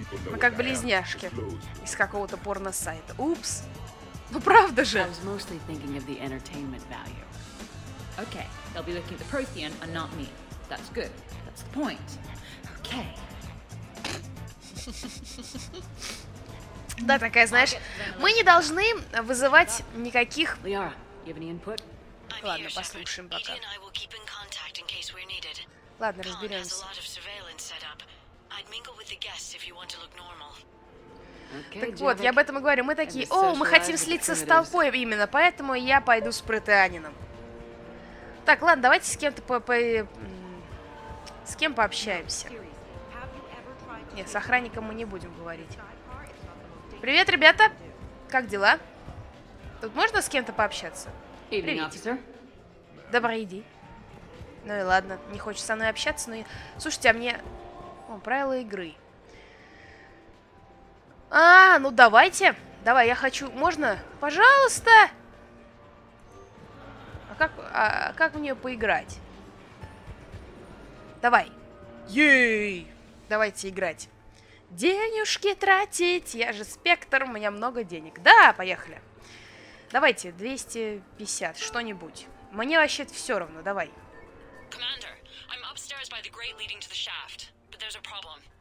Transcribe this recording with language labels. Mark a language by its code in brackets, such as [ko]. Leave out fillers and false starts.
[ru] Мы как близняшки из какого-то порно-сайта. Упс. Ну правда же. [en] Okay, they'll be looking at the Prothean and not me. That's good. That's the point. Okay. [ru] Да, такая, знаешь, мы не должны вызывать никаких... [en] Лиара, you have any input? [ru] Ладно, послушаем пока. [en] Eden and I will keep in contact in case we're needed. [ru] Ладно, разберемся. [en] Khan has a lot of surveillance set up. I'd mingle with the guests if you want to look normal. [ru] Так вот, я об этом и говорю. Мы такие, о, мы хотим слиться с толпой именно, поэтому я пойду с Протеанином. Так, ладно, давайте с кем-то с кем пообщаемся. Нет, с охранником мы не будем говорить. Привет, ребята! Как дела? Тут можно с кем-то пообщаться? Привет. Добрый день. Ну и ладно, не хочешь со мной общаться, но... Слушайте, а мне... О, правила игры. А, ну давайте. Давай, я хочу... Можно? Пожалуйста! Как мне поиграть? Давай. Ей! Давайте играть. Денюжки тратить. Я же Спектр, у меня много денег. Да, поехали. Давайте, 250, что-нибудь. Мне вообще все равно, давай. [en] Commander, I'm upstairs by the grate leading to the shaft, but there's a problem.